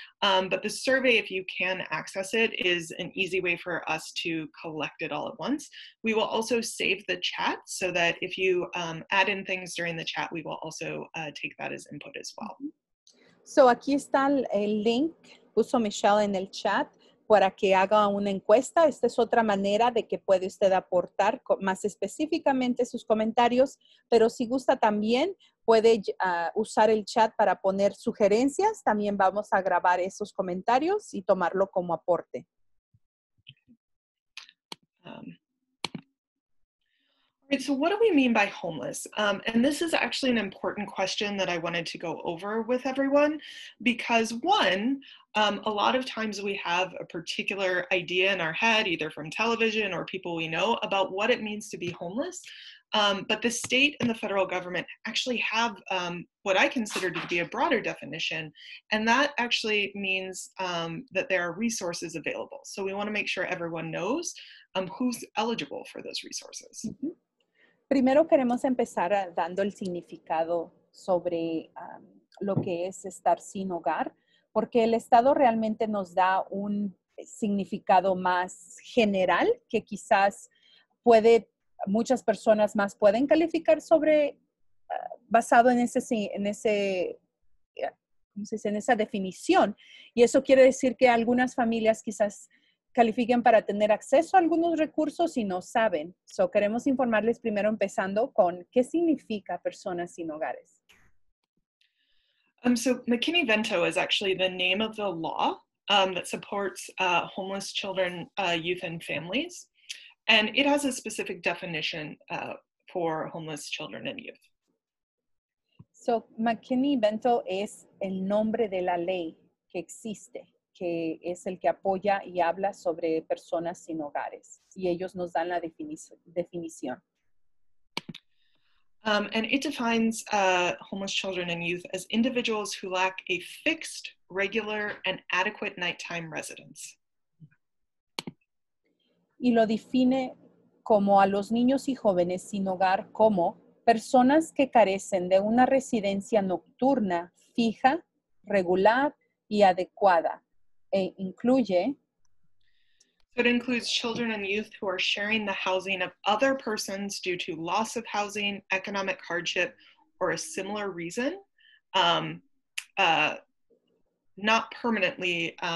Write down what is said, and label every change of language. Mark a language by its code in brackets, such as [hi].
[en] But the survey, if you can access it, is an easy way for us to collect it all at once. We will also save the chat so that if you add in things during the chat, we will also take that as input as well. [es] So aquí está el link, puso Michelle en el chat. Para que haga una encuesta, esta es otra manera de que puede usted aportar más específicamente sus comentarios, pero si gusta también puede usar el chat para poner sugerencias, también vamos a grabar esos comentarios y tomarlo como aporte. [en] So what do we mean by homeless? And this is actually an important question that I wanted to go over with everyone, because one, a lot of times we have a particular idea in our head, either from television or people we know, about what it means to be homeless. But the state and the federal government actually have what I consider to be a broader definition, and that actually means that there are resources available. So we want to make sure everyone knows who's eligible for those resources. Mm-hmm. [es] Primero queremos empezar dando el significado sobre lo que es estar sin hogar, porque el Estado realmente nos da un significado más general que quizás puede, muchas personas más pueden calificar sobre, basado en esa definición. Y eso quiere decir que algunas familias quizás califiquen para tener acceso a algunos recursos y no saben. So queremos informarles primero empezando con qué significa personas sin hogares. [en] So McKinney-Vento is actually the name of the law that supports homeless children, youth and families. And it has a specific definition for homeless children and youth. [es] So McKinney-Vento es el nombre de la ley que existe, que es el que apoya y habla sobre personas sin hogares. Y ellos nos dan la definición. [en] And it defines homeless children and youth as individuals who lack a fixed, regular, and adequate nighttime residence. [es] Y lo define como a los niños y jóvenes sin hogar como personas que carecen de una residencia nocturna fija, regular, y adecuada. [en] It includes children and youth who are sharing the housing of other persons due to loss of housing, economic hardship, or a similar reason, not permanently.